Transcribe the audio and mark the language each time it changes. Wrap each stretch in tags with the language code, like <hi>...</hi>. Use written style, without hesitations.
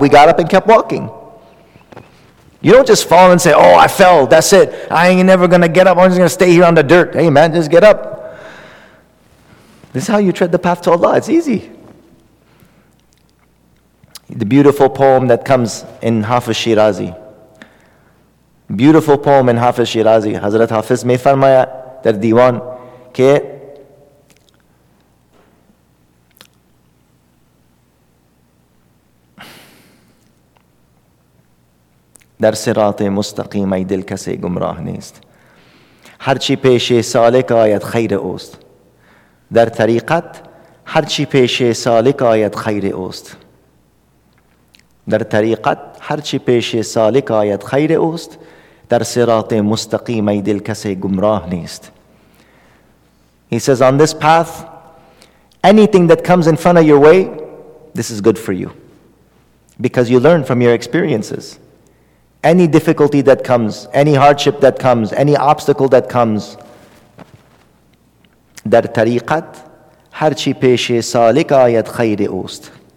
<en>We got up and kept walking. You don't just fall and say, oh, I fell, that's it. I ain't never going to get up. I'm just going to stay here on the dirt. Hey, man, just get up. This is how you tread the path to Allah. It's easy. The beautiful poem that comes in Hafiz Shirazi. Beautiful poem in Hafiz Shirazi.</en> <ur>Hazrat Hafiz may farmaya dar diwan ke</ur> <fa>در صراط مستقیم ای دل کسی گمراه نیست هرچی پیش سالک آید خیر اوست در طریقت هرچی پیش سالک آید خیر اوست در طریقت هرچی پیش سالک آید خیر اوست در صراط مستقیم ای دل کسی گمراه نیست.</fa> <en>He says, on this path, anything that comes in front of your way, this is good for you. Because you learn from your experiences. Any difficulty that comes, any hardship that comes, any obstacle that comes,</en> <fa>در طریقت هرچی پیش سالک آید خیر اوست.</fa>